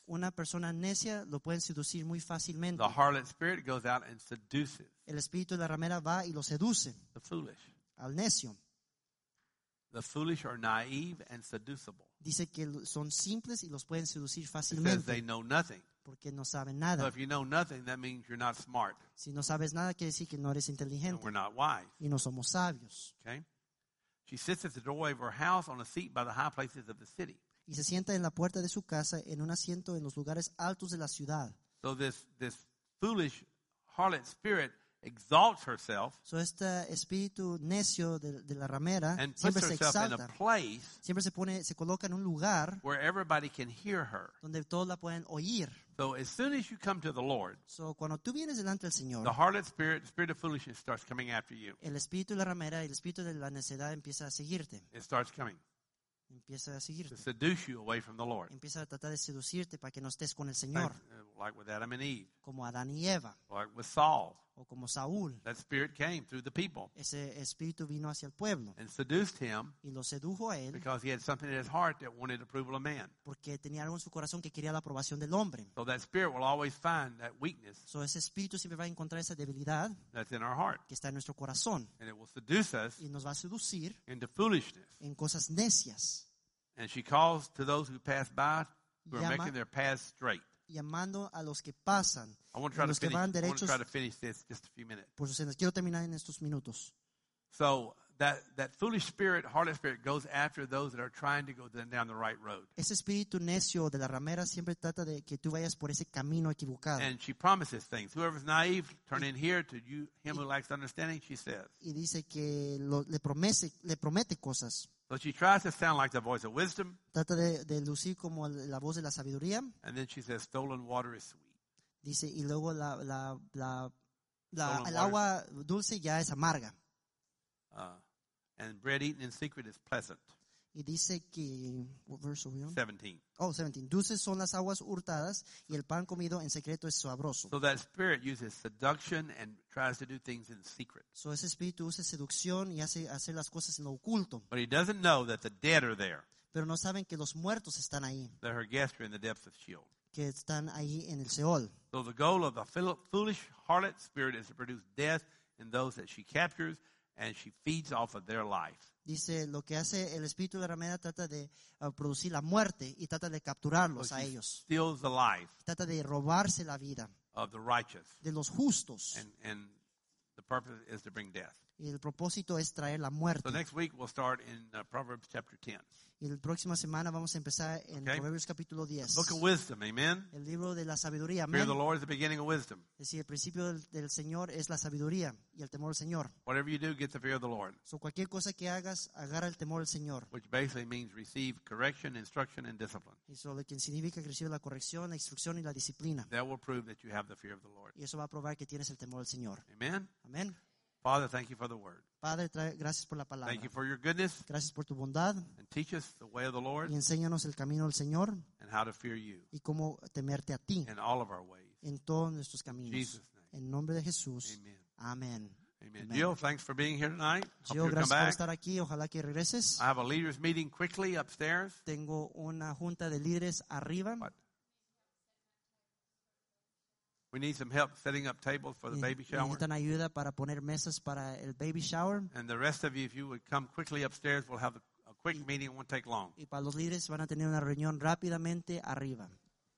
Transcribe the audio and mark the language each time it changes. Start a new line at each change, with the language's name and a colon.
Spanish: Una persona necia lo pueden seducir muy fácilmente.
English: The harlot spirit goes out and seduces.
Spanish: El espíritu de la ramera va y lo seduce.
English: The foolish.
Spanish: Al necio.
English: The foolish are naive and seducible.
Spanish: Dice que son simples y los pueden seducir fácilmente.
English: Because they know nothing.
Spanish: Porque no saben nada.
English: So if you know nothing, that means you're not smart.
Spanish: Si no sabes nada, quiere decir que no eres inteligente.
English: And we're not wise.
Spanish: Y no somos sabios.
English: Okay. She sits at the doorway of her house on a seat by the high places of the city.
Spanish: Y se sienta en la puerta de su casa en un asiento en los lugares altos de la ciudad.
English: So this foolish harlot spirit exalts herself.
Spanish: So este espíritu necio de la ramera
English: and
Spanish: siempre
English: puts
Spanish: se exalta.
English: Herself in a place
Spanish: siempre se coloca en un lugar
English: where everybody can hear her.
Spanish: Donde todos la pueden oír.
English: So as soon as you come to the Lord,
Spanish: so cuando tú vienes delante del Señor,
English: the harlot spirit, the spirit of foolishness starts coming after you.
Spanish: El espíritu de la ramera y el espíritu de la necedad empieza a seguirte.
English: It starts coming.
Spanish: Empieza a seguirte.
English: To seduce you away from the Lord.
Spanish: Empieza a tratar de seducirte para que no estés con el Señor.
English: Like with Adam and Eve.
Spanish: Como Adán y Eva.
English: Like with Saul.
Spanish: O como Saúl.
English: That spirit came through the people.
Spanish: Ese espíritu vino hacia el pueblo.
English: And seduced him.
Spanish: Y lo sedujo a él.
English: Because he had something in his heart that wanted approval of man.
Spanish: Porque tenía algo en su corazón que quería la aprobación del hombre.
English: So that spirit will always find that weakness.
Spanish: So ese espíritu siempre va a encontrar esa debilidad.
English: That's in our heart.
Spanish: Que está en nuestro corazón.
English: And it will seduce us.
Spanish: Y nos va a seducir.
English: Into foolishness.
Spanish: En cosas necias.
English: And she calls to those who pass by who are making their paths straight.
Spanish: Llamando a los que pasan,
English: I want to try
Spanish: los
English: to finish,
Spanish: que van derechos.
English: I want to try to finish this just a few minutes.
Spanish: Por sus quiero terminar en estos minutos.
English: So that foolish spirit, harlot spirit, goes after those that are trying to go down the right road.
Spanish: Ese espíritu necio de la ramera siempre trata de que tú vayas por ese camino equivocado.
English: And she promises things. Whoever's naive, turn in here to you. Him who lacks understanding, she says.
Spanish: Y dice que le promete cosas.
English: So she tries to sound like the voice of wisdom.
Spanish: Trata de lucir como la voz de la sabiduría.
English: And then she says, "Stolen water is sweet."
Spanish: Dice y luego el agua dulce ya es amarga.
English: And bread eaten in secret is pleasant.
Spanish: Y dice que,
English: what verse are we on? 17. Oh, 17.
Spanish: Dulces son las aguas hurtadas y el pan comido en secreto es sabroso.
English: So that spirit uses seduction and tries to do things in secret.
Spanish: So ese espíritu usa seducción y hace hacer las cosas en lo oculto.
English: But he doesn't know that the dead are there.
Spanish: Pero no saben que los muertos están ahí.
English: That her guests are in the depths of Sheol.
Spanish: Que están ahí en el Seol.
English: So the goal of the foolish harlot spirit is to produce death in those that she captures, and she feeds off of their life.
Spanish: Dice lo que hace el espíritu de la ramera trata de producir la muerte y trata de capturarlos
English: so
Spanish: a ellos.
English: Steals the life.
Spanish: Trata de robarse la vida.
English: Of the righteous.
Spanish: De los justos.
English: And the purpose is to bring death.
Spanish: Y el propósito es traer la muerte.
English: So next week we'll start in Proverbs chapter 10.
Spanish: Y la próxima semana vamos a empezar en okay. Proverbios capítulo 10.
English: The book of wisdom, amen.
Spanish: El libro de la sabiduría, amen.
English: Fear the Lord is the beginning of wisdom.
Spanish: Es decir, el principio del Señor es la sabiduría y el temor al Señor.
English: Whatever you do, get the fear of the Lord.
Spanish: So cualquier cosa que hagas, agarra el temor al Señor.
English: Which basically means receive correction, instruction, and discipline.
Spanish: Y eso lo que significa que recibe la corrección, la instrucción y la disciplina.
English: That will prove that you have the fear of the Lord.
Spanish: Y eso va a probar que tienes el temor al Señor.
English: Amen.
Spanish: Amen.
English: Father, thank you for the word.
Spanish: Padre, gracias por la palabra.
English: Thank you for your goodness.
Spanish: Gracias por tu bondad.
English: And teach us the way of the Lord.
Spanish: Y enséñanos el camino del Señor.
English: And how to fear you.
Spanish: Y cómo temerte a ti.
English: In all of our ways.
Spanish: En todos nuestros caminos.
English: In Jesus' name.
Spanish: En nombre de Jesús.
English: Amen.
Spanish: Amen.
English: Amen. Amen. Jill, thanks for being here tonight.
Spanish: Jill,
English: hope
Spanish: gracias
English: come back.
Spanish: Por estar aquí. Ojalá que regreses.
English: I have a leaders meeting quickly upstairs.
Spanish: Tengo una junta de líderes arriba.
English: What? We need some help setting up tables for the baby shower.
Spanish: Necesitan ayuda para poner mesas para el baby shower.
English: And the rest of you, if you would come quickly upstairs, we'll have a quick meeting. It won't take long.
Spanish: Y para los líderes van a tener una reunión rápidamente arriba.